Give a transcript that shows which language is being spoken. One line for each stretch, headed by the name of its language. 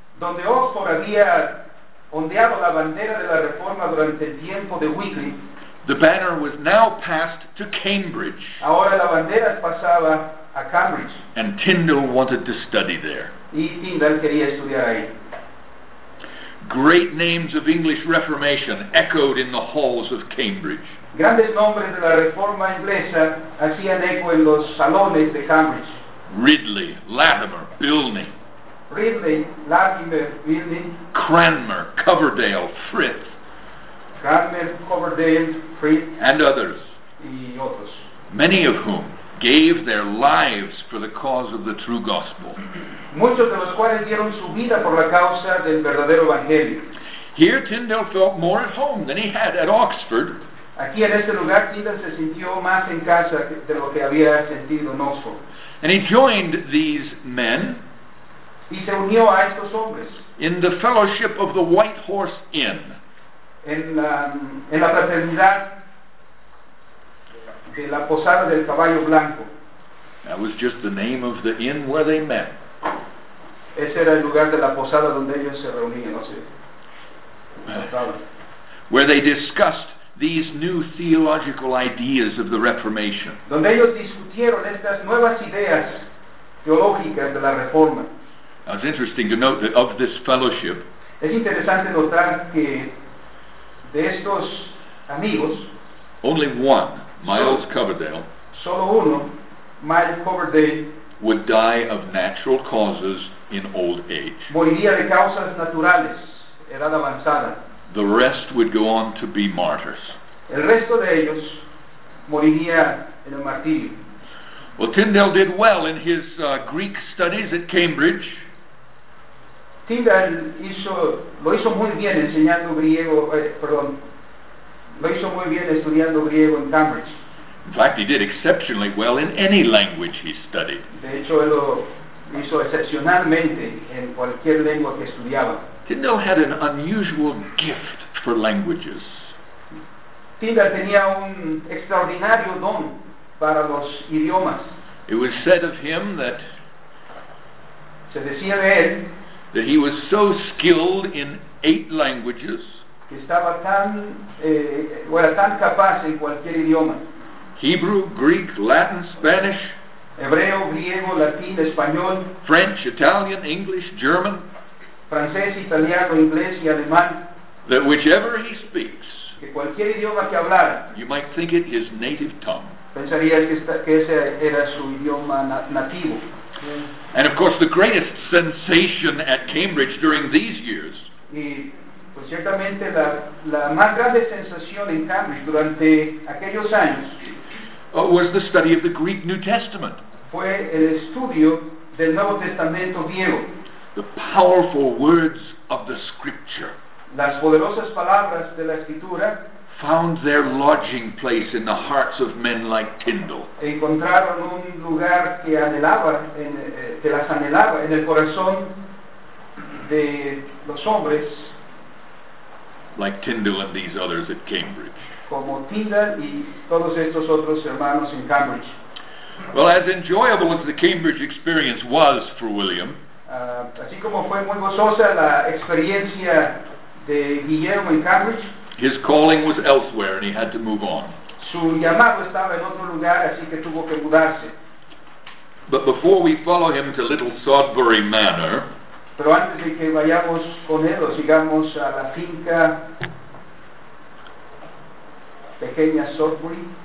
Spanish: donde Oxford había ondeado la bandera de la reforma durante el tiempo de Wycliffe,
English: the banner was now passed to Cambridge.
Spanish: Ahora la bandera pasaba a Cambridge.
English: And Tyndale wanted to study there.
Spanish: Y Tyndale quería estudiar ahí.
English: Great names of English Reformation echoed in the halls of Cambridge.
Spanish: Grandes nombres de la reforma inglesa hacían eco en los salones de Cambridge.
English: Ridley, Latimer, Bilney.
Spanish: Ridley, Latimer, Bilney.
English: Cranmer, Coverdale, Frith.
Spanish: Cranmer, Coverdale, Frith.
English: And others.
Spanish: Y otros.
English: Many of whom gave their lives for the cause of the true gospel.
Spanish: Muchos de los cuales dieron su vida por la causa del verdadero evangelio.
English: Here Tyndale felt more at home than he had at Oxford.
Spanish: Aquí en este lugar Tyndale se sintió más en casa de lo que había sentido en Oxford.
English: And he joined these men.
Spanish: Y se unió a estos hombres.
English: In the fellowship of the White Horse Inn.
Spanish: En la fraternidad de la Posada del Caballo Blanco.
English: That was just the name of the inn where they met.
Spanish: Ese era el lugar de la posada donde ellos se reunían, no sé.
English: Where they discussed these new theological ideas of the Reformation.
Spanish: Donde ellos discutieron estas nuevas ideas teológicas de la Reforma.
English: Now it's interesting to note that of this fellowship,
Spanish: es interesante notar que de estos amigos,
English: only one, Miles Coverdale,
Spanish: solo uno, Miles Coverdale,
English: would die of natural causes in old age.
Spanish: Moriría de causas naturales, edad avanzada.
English: The rest would go on to be martyrs.
Spanish: El resto de ellos moriría en el martirio.
English: Well, Tyndale did well in his Greek studies at Cambridge.
Spanish: Tyndale lo hizo muy bien enseñando griego, lo hizo muy bien estudiando griego en Cambridge.
English: In fact, he did exceptionally well in any language he studied.
Spanish: De hecho, él lo hizo excepcionalmente en cualquier lengua que estudiaba.
English: Tyndale had an unusual gift for languages.
Spanish: Tyndale tenía un extraordinario don para los idiomas.
English: It was said of him that
Spanish: se decía de él
English: that he was so skilled in eight languages
Spanish: que estaba tan era tan capaz en cualquier idioma.
English: Hebrew, Greek, Latin, Spanish,
Spanish: Hebreo, griego, latín, español,
English: French, Italian, English, German,
Spanish: francés, italiano, inglés y alemán,
English: that whichever he speaks,
Spanish: que cualquier idioma que hablara,
English: you might think it his native tongue.
Spanish: Pensarías que ese era su idioma nativo.
English: And of course the greatest sensation at Cambridge during these years,
Spanish: y pues ciertamente la más grande sensación en Cambridge durante aquellos años,
English: was the study of the Greek New Testament.
Spanish: Fue el estudio del Nuevo Testamento griego.
English: The powerful words of the Scripture.
Spanish: Las poderosas palabras de la Escritura
English: found their lodging place in the hearts of men like Tyndale.
Spanish: Encontraron un lugar que anhelaba, que las anhelaba en el corazón de los hombres.
English: Like Tyndale and these others at Cambridge.
Spanish: Como Tyndale y todos estos otros hermanos en Cambridge.
English: Well, as enjoyable as the Cambridge experience was for William,
Spanish: así como fue muy gozosa la experiencia de Guillermo en Cambridge,
English: his calling was elsewhere and he had to move on.
Spanish: Su llamado estaba en otro lugar, así que tuvo que mudarse.
English: But before we follow him to Little Sodbury Manor,
Spanish: pero antes de que vayamos con él o sigamos a la finca pequeña Sodbury,